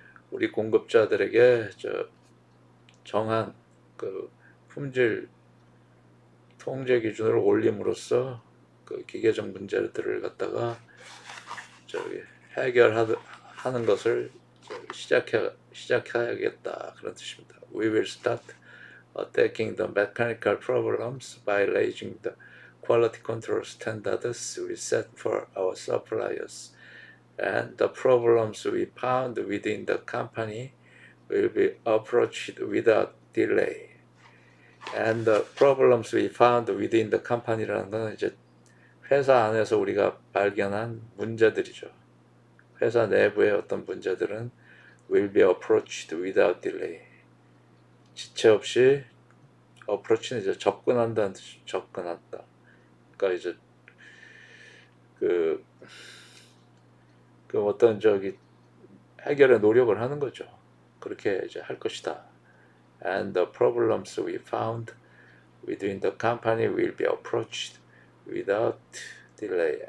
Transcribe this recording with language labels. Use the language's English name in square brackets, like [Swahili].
[Korean] 우리 공급자들에게 저 정한 그 품질 통제 기준을 올림으로써 그 기계적 문제들을 갖다가 저기 해결하듯 하는 것을 시작해야겠다 그런 뜻입니다. [English] We will start attacking the mechanical problems by raising the quality control standards we set for our suppliers, and the problems we found within the company will be approached without delay. And the problems we found within the company [Korean] 라는 건 이제 회사 안에서 우리가 발견한 문제들이죠. 회사 내부의 어떤 문제들은 [English] will be approached without delay. [Korean] 지체 없이 approach는 이제 접근한다는 뜻이죠. 접근한다. 그러니까 이제 그 어떤 저기 해결의 노력을 하는 거죠. 그렇게 이제 할 것이다. [English] And the problems we found within the company will be approached without delay.